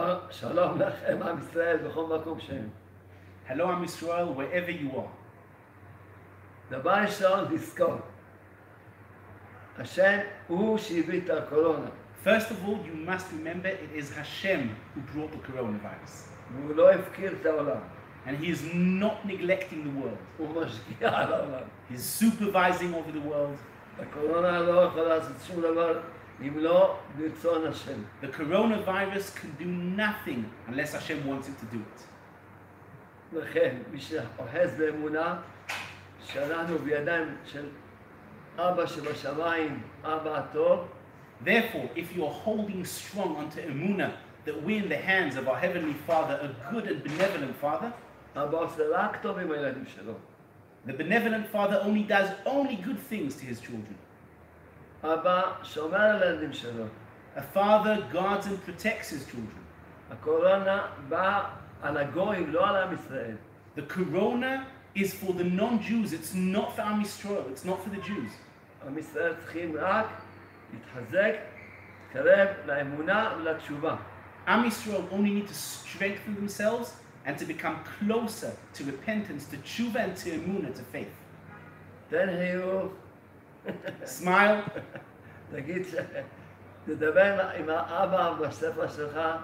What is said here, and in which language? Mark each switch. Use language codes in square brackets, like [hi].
[he] שלום לכם, עם ישראל, בכל מקום שהם. [en] Hello, עם ישראל, wherever you are. [he] דבר ראשון, לזכור. השם הוא שהביא את הקורונה. [en] First of all, you must remember, it is Hashem who brought the coronavirus. [he] והוא לא הפקיר את העולם. [en] And he is not neglecting the world. [he] הוא משגיע על העולם. [en] He's supervising over the world. [he] הקורונה לא יכולה לעשות שום דבר. אם לא, ברצון השם. [en] The coronavirus can do nothing unless Hashem wants it to do it. [he] לכן, מי שאוחז באמונה, שלנו בידיים של אבא שבשמיים, אבא הטוב. [en] Therefore, if you are holding strong unto אמונה, that we in the hands of our Heavenly Father, a good and benevolent Father, [he] אבא עושה רק טוב עם הילדים שלו. [en] The benevolent Father only does only good things to his children. [he] אבא שומר על הילדים שלו. [en] A father guards and protects his children. [he] הקורונה באה על הגויים, לא על עם ישראל. [en] The corona is for the non-Jews, it's not for Am Yisrael, it's not for the Jews. [he] עם ישראל צריכים רק להתחזק, להתקרב לאמונה ולתשובה. [en] Am Yisrael only need to strengthen themselves and to become closer to repentance, to tshuva and to emuna, to faith. Then hey, you. Smile. [he] תגיד ש... תדבר עם האבא בשפה שלך.